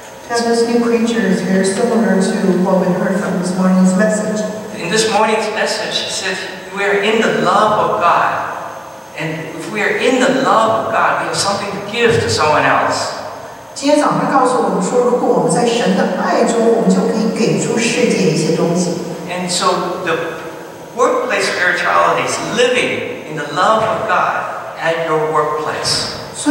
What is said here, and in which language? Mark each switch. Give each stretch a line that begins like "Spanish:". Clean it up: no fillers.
English: Yeah, this new creature is very similar to what we heard from this morning's message. In this morning's message, it says, we are in the love of God. And if we are in the love of God, we have something to give to someone else.
Chinese: 今天早上告诉我们说，如果我们在神的爱中，我们就可以给出世界一些东西。
English: And so, the workplace spirituality is living in the love of God at your workplace.